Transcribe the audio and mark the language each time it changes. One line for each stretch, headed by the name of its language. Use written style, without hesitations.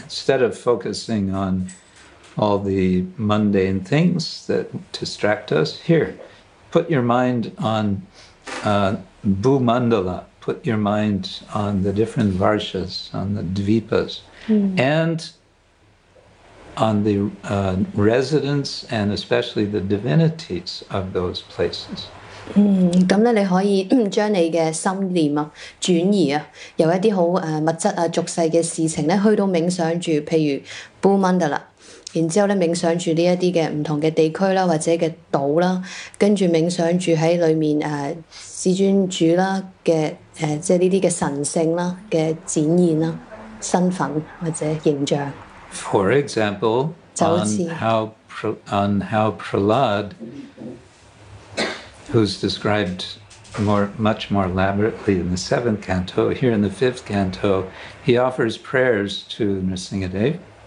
English: Instead of focusing on all the mundane things that distract us, here, put your mind on Bhumandala, put your mind on the different Varshas, on the Dvipas, and on the residents and especially the divinities of those places.
Cantonese: 咁咧，你可以將你嘅心念啊轉移啊，由一啲好物質啊俗世嘅事情咧，去到冥想住，譬如 Bhumandala， 然之後咧冥想住呢一啲嘅唔同嘅地區啦，或者嘅島啦，跟住冥想住喺裡面至尊主啦嘅即係呢啲嘅神性啦嘅展現啦身份或者形象。
English: For example, on how Prahlad, who's described much more elaborately in the seventh canto. Here in the fifth canto, he offers prayers to Nrisimhadev.